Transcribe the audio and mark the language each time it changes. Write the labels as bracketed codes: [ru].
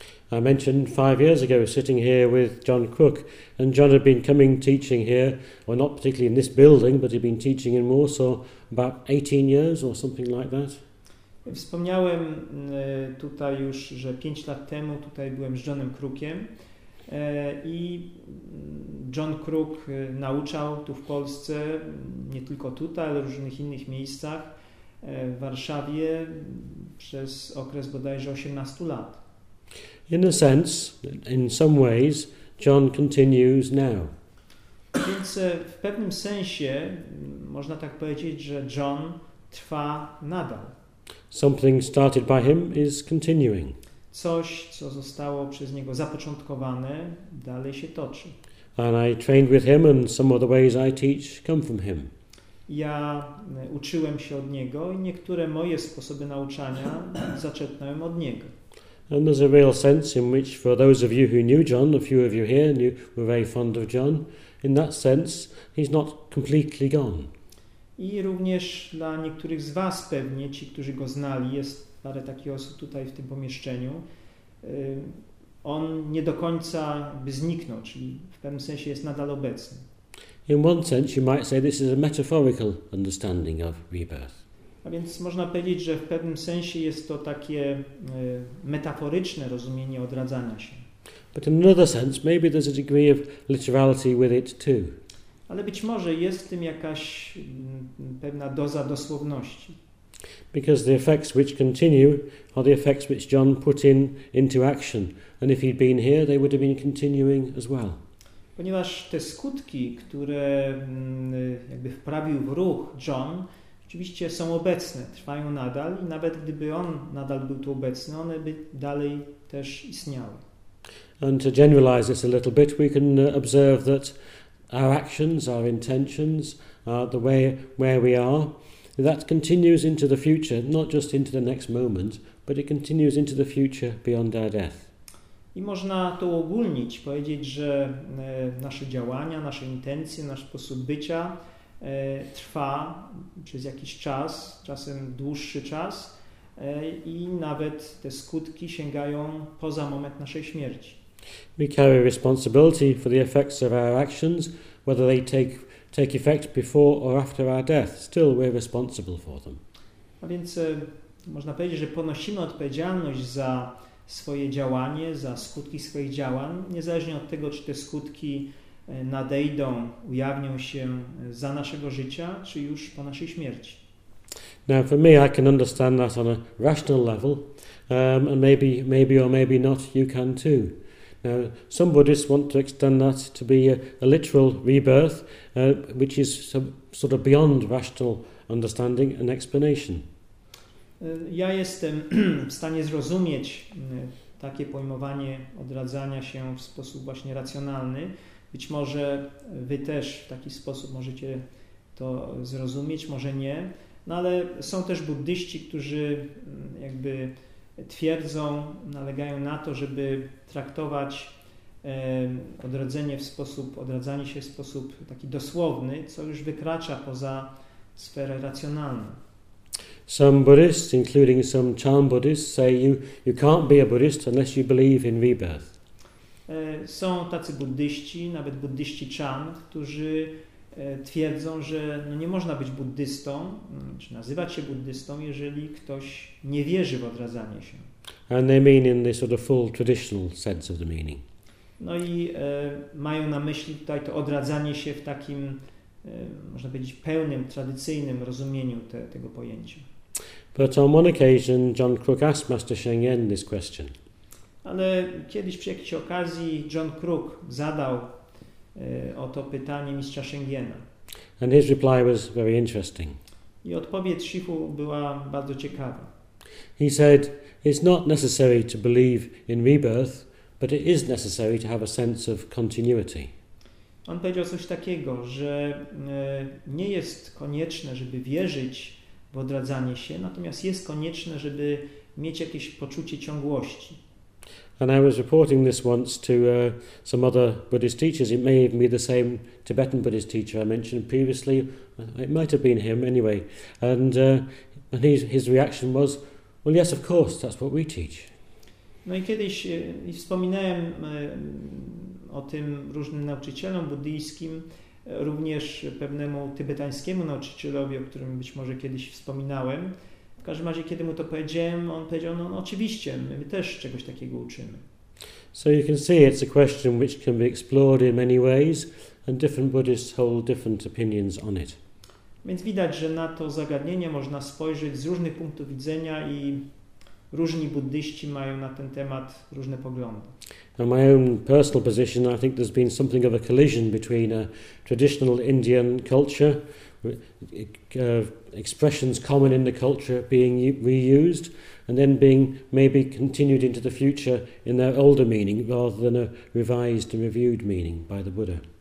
[en] I mentioned 5 years ago sitting here with John Crook, and John had been coming teaching here, well not particularly in this building, but he'd been teaching in Warsaw about 18 years or something like that. [pl] Wspomniałem tutaj już, że 5 lat temu tutaj byłem z Johnem Crookiem. I John Crook nauczał tu w Polsce, nie tylko tutaj, ale w różnych innych miejscach w Warszawie przez okres bodajże 18 lat. [en] In a sense, in some ways, John continues now. [pl] Więc w pewnym sensie można tak powiedzieć, że John trwa nadal. [en] Something started by him is continuing. [pl] Coś, co zostało przez niego zapoczątkowane, dalej się toczy. [en] And I trained with him and some of the ways I teach come from him. [pl] Ja uczyłem się od niego i niektóre moje sposoby nauczania zaczerpnąłem od niego. [en] And there's a real sense in which for those of you who knew John, a few of you here knew, were very fond of John, in that sense he's not completely gone. [pl] I również dla niektórych z was pewnie, ci, którzy go znali, jest parę takich osób tutaj w tym pomieszczeniu, on nie do końca by zniknął, czyli w pewnym sensie jest nadal obecny. [en] In one sense you might say this is a metaphorical understanding of rebirth. [pl] A więc można powiedzieć, że w pewnym sensie jest to takie metaforyczne rozumienie odradzania się. [en] But in another sense maybe there's a degree of literality with it too. [pl] Ale być może jest w tym jakaś pewna doza dosłowności. [en] Because the effects which continue are the effects which John put in into action, and if he'd been here they would have been continuing as well. [pl] Ponieważ te skutki, które jakby wprawił w ruch John, oczywiście są obecne, trwają nadal i nawet gdyby on nadal był tu obecny, one by dalej też istniały. [en] And to generalize this a little bit, we can observe that our actions, our intentions, the way where we are, that continues into the future, not just into the next moment, but it continues into the future beyond our death. [pl] I można to uogólnić, powiedzieć, że nasze działania, nasze intencje, nasz sposób bycia trwa przez jakiś czas, czasem dłuższy czas i nawet te skutki sięgają poza moment naszej śmierci. [en] We carry responsibility for the effects of our actions, whether they take effect before or after our death. Still we're responsible for them. [pl] A więc można powiedzieć, że ponosimy odpowiedzialność za swoje działanie, za skutki swoich działań, niezależnie od tego, czy te skutki nadejdą, ujawnią się za naszego życia, czy już po naszej śmierci. [en] Now for me, I can understand that on a rational level, and maybe or maybe not, you can too. Now, some Buddhists want to extend that to be a literal rebirth, which is sort of beyond rational understanding and explanation. [pl] Ja jestem w stanie zrozumieć takie pojmowanie odradzania się w sposób właśnie racjonalny. Być może wy też w taki sposób możecie to zrozumieć, może nie. No ale są też buddyści, którzy jakby twierdzą, nalegają na to, żeby traktować odradzanie się w sposób taki dosłowny, co już wykracza poza sferę racjonalną. [en] Some Buddhists, including some Chan Buddhists, say you can't be a Buddhist unless you believe in rebirth. [pl] Są tacy buddyści, nawet buddyści Chan, którzy twierdzą, że no nie można być buddystą, czy nazywać się buddystą, jeżeli ktoś nie wierzy w odradzanie się. [en] And they mean in the sort of full traditional sense of the meaning. [pl] No i mają na myśli tutaj to odradzanie się w takim, można powiedzieć, pełnym, tradycyjnym rozumieniu tego pojęcia. [en] But on one occasion John Crook asked Master Sheng Yen this question. [pl] Ale kiedyś przy jakiejś okazji John Crook zadał o to pytanie mistrza Sheng Yena. [en] And his reply was very interesting. [pl] I odpowiedź Shifu była bardzo ciekawa. [en] He said, it's not necessary to believe in rebirth, but it is necessary to have a sense of continuity. [pl] On powiedział coś takiego, że nie jest konieczne, żeby wierzyć w odradzanie się, natomiast jest konieczne, żeby mieć jakieś poczucie ciągłości. [en] And I was reporting this once to some other Buddhist teachers. It may be the same Tibetan Buddhist teacher I mentioned previously. It might have been him anyway. And his reaction was, well, yes, of course, that's what we teach. [pl] No i kiedyś wspominałem o tym różnym nauczycielom buddyjskim, również pewnemu tybetańskiemu nauczycielowi, o którym być może kiedyś wspominałem. W każdym razie, kiedy mu to powiedziałem, on powiedział, no oczywiście, my też czegoś takiego uczymy. [en] So you can see it's a question which can be explored in many ways and different Buddhists hold different opinions on it. [pl] Więc widać, że na to zagadnienie można spojrzeć z różnych punktów widzenia i różni buddyści mają na ten temat różne poglądy. [en] Now my own personal position, I think there's been something of a collision between a traditional Indian culture, expressions common in the culture being reused, and then being maybe continued into the future in their older meaning rather than a revised and reviewed meaning by the Buddha.